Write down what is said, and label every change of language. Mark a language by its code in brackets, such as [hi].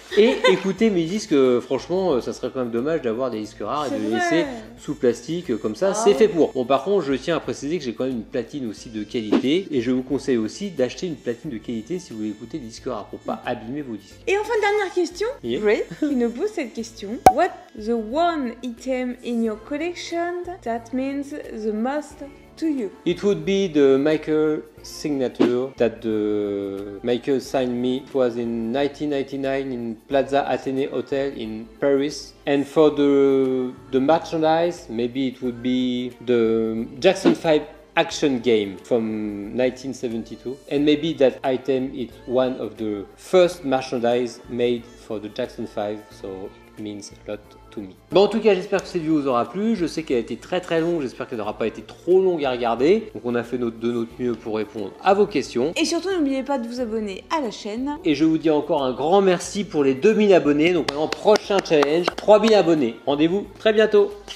[fr] Et écouter mes disques, franchement, ça serait quand même dommage d'avoir des disques rares c'est et de les laisser sous plastique comme ça. Ah, c'est fait pour. Bon, par contre, je tiens à préciser que j'ai quand même une platine aussi de qualité. Et je vous conseille aussi d'acheter une platine de qualité si vous voulez écouter des disques rares pour pas abîmer vos disques. Et enfin, dernière question. Yeah. Ray, qui nous pose cette question. [en] What the one item in your collection that means the most to you? It would be the Michael signature that Michael signed me. It was in 1999 in Plaza Athénée Hotel in Paris. And for the merchandise, maybe it would be the Jackson 5 action game from 1972. And maybe that item is one of the first merchandise made for the Jackson 5. So it means a lot. [fr] Bon, en tout cas, j'espère que cette vidéo vous aura plu. Je sais qu'elle a été très très longue, j'espère qu'elle n'aura pas été trop longue à regarder. Donc on a fait de notre mieux pour répondre à vos questions. Et surtout, n'oubliez pas de vous abonner à la chaîne. Et je vous dis encore un grand merci pour les 2000 abonnés. Donc en prochain challenge, 3000 abonnés. Rendez-vous très bientôt.